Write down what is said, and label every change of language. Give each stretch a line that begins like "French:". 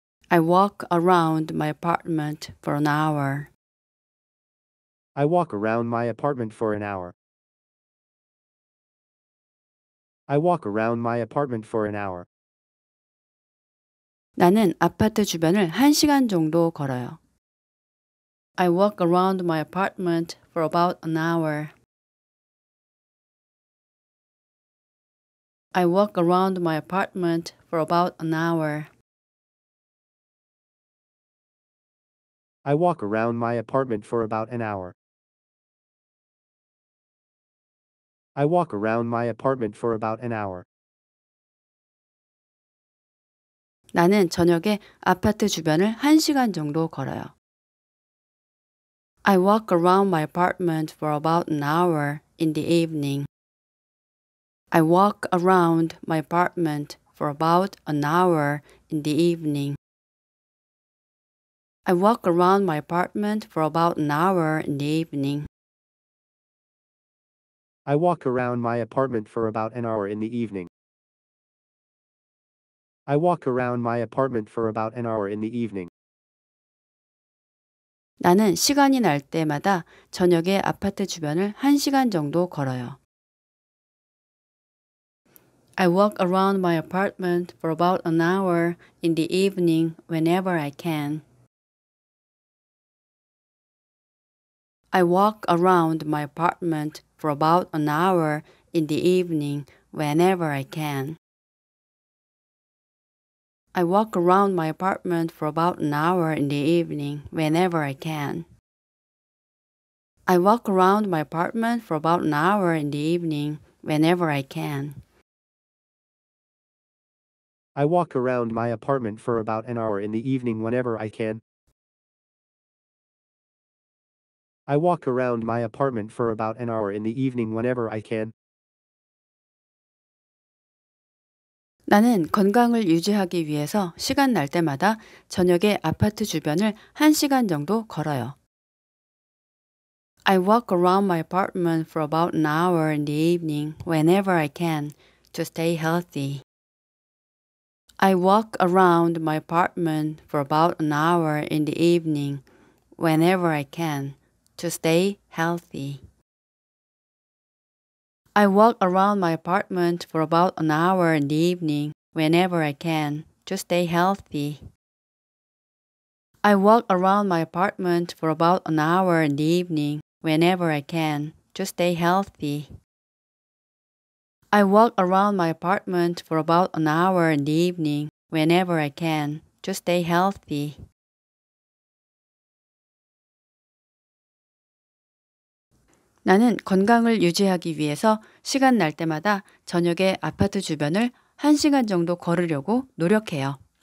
English: I walk around my apartment for an hour. I walk around my apartment for an hour. I walk around my apartment for an hour.
Korean: 나는 아파트 주변을 한 시간 정도 걸어요.
English: I walk around my apartment for about an hour. I walk around my apartment for about an hour. I walk around my apartment for about an hour. I walk around my apartment for about an hour.
Korean: 나는 저녁에 아파트 주변을 한 시간 정도 걸어요.
English: I walk around my apartment for about an hour in the evening. I walk around my apartment for about an hour in the evening. I walk around my apartment for about an hour in the evening. I walk around my apartment for about an hour in the evening. I walk around my apartment for about an hour in the evening.
Korean: 나는 시간이 날 때마다 저녁에 아파트 주변을 한 시간 정도 걸어요.
English: I walk around my apartment for about an hour in the evening whenever I can. I walk around my apartment for about an hour in the evening whenever I can. I walk around my apartment for about an hour in the evening whenever I can. I walk around my apartment for about an hour in the evening whenever I can. I walk around my apartment for about an hour in the evening whenever I can. I walk around my apartment for about an hour in the evening whenever I can.
Korean: 나는 건강을 유지하기 위해서 시간 날 때마다 저녁에 아파트 주변을 1시간 정도 걸어요.
English: I walk around my apartment for about an hour in the evening whenever I can to stay healthy. I walk around my apartment for about an hour in the evening whenever I can to stay healthy. I walk around my apartment for about an hour in the evening whenever I can to stay healthy. I walk around my apartment for about an hour in the evening whenever I can to stay healthy. I walk around my apartment for about an hour in the evening whenever I can to stay healthy.
Korean: 나는 건강을 유지하기 위해서 시간 날 때마다 저녁에 아파트 주변을 1시간 정도 걸으려고 노력해요.